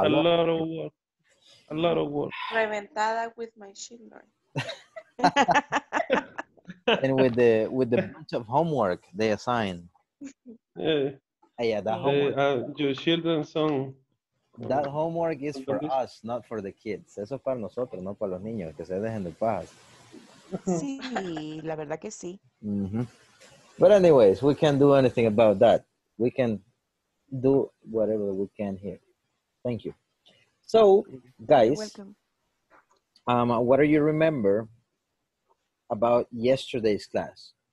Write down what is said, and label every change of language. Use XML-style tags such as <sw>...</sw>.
<en>A lot of work. A lot of work.</en> <es>Reventada</es> <en>with my children. And with the bunch of homework they assign. Your children's song. That homework is for us, not for the kids.</en> <es>Eso es para nosotros, no para los niños, que se dejen de paz. Sí, la verdad que sí. Mm-hmm.</es> <en>But anyways, we can't do anything about that. We can do whatever we can here. Thank you. So, guys, what do you remember about yesterday's class?</en>